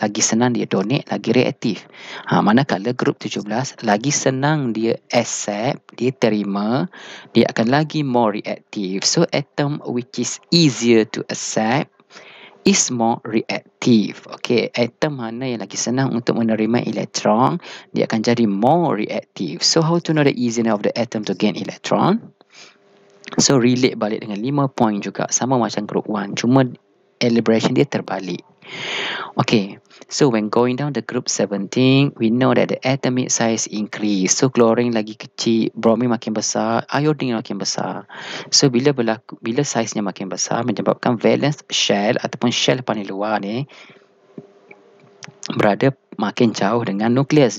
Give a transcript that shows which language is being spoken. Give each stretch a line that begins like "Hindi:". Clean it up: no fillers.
Malay: Lagi senang dia donate, lagi reaktif. Manakala group 17, lagi senang dia accept, dia terima, dia akan lagi
English: more reactive. So, atom which is easier to accept is more reactive.
Malay: Okay, atom mana yang lagi senang untuk menerima elektron, dia akan jadi
English: more reactive. So, how to know the easiness of the atom to gain electron?
Malay: So, relate balik dengan 5 point juga. Sama macam group 1. Cuma, elaboration dia terbalik.
English: Okay, so when going down the group 17, we know that the atomic size increase.
Malay: So, chlorine lagi kecil, bromine makin besar, iodine makin besar. So, bila saiznya makin besar, menyebabkan valence shell ataupun shell paling luar ni berada makin jauh dengan nukleus.